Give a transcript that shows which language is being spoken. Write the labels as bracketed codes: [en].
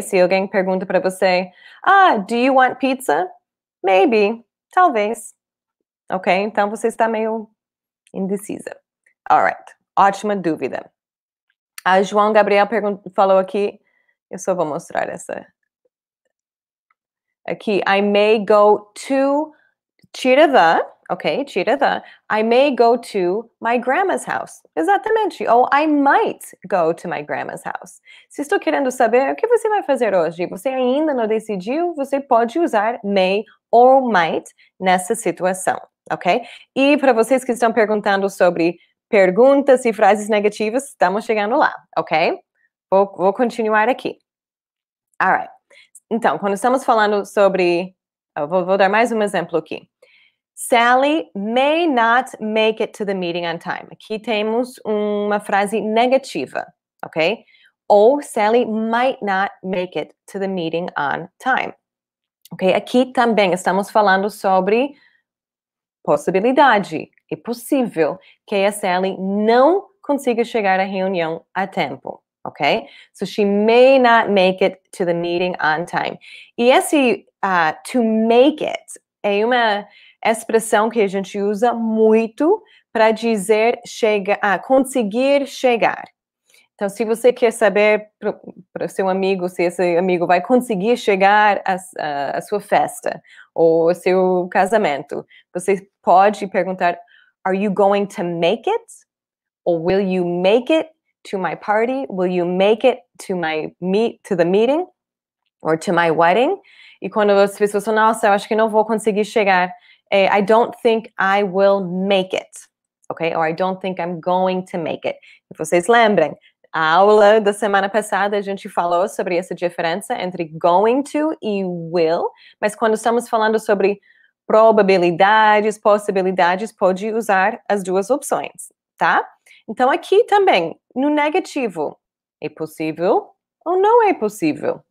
[pt] Se alguém pergunta para você, ah, [en] do you want pizza? Maybe. [pt] Talvez. Ok? Então você está meio indecisa. [en] All right. [pt] Ótima dúvida. A João Gabriel falou aqui, eu só vou mostrar essa. [en] Aqui, I may go to, tira the, ok, tira the, I may go to my grandma's house. Exatamente, ou I might go to my grandma's house. [pt] Se estou querendo saber o que você vai fazer hoje, você ainda não decidiu, você pode usar may or might nessa situação, ok? E para vocês que estão perguntando sobre perguntas e frases negativas, estamos chegando lá, ok? Vou continuar aqui. [en] All right. [pt] Então, quando estamos falando sobre... Vou dar mais um exemplo aqui. [en] Sally may not make it to the meeting on time. [pt] Aqui temos uma frase negativa, ok? [en] Ou Sally might not make it to the meeting on time. [pt] Ok? Aqui também estamos falando sobre possibilidade. É possível que a Sally não consiga chegar à reunião a tempo. Ok? [en] So she may not make it to the meeting on time. [pt] E esse to make it é uma expressão que a gente usa muito para dizer conseguir chegar. Então, se você quer saber para seu amigo se esse amigo vai conseguir chegar à sua festa ou seu casamento, você pode perguntar: [en] Are you going to make it? Or will you make it to my party? Will you make it to the meeting? Or to my wedding? [pt] E quando as pessoas falam, nossa, eu acho que não vou conseguir chegar, [en] I don't think I will make it. [pt] Ok? [en] Or I don't think I'm going to make it. [pt] E vocês lembrem, a aula da semana passada, a gente falou sobre essa diferença entre going to e will. Mas quando estamos falando sobre probabilidades, possibilidades, pode usar as duas opções, tá? Então, aqui também, no negativo, é possível ou não é possível?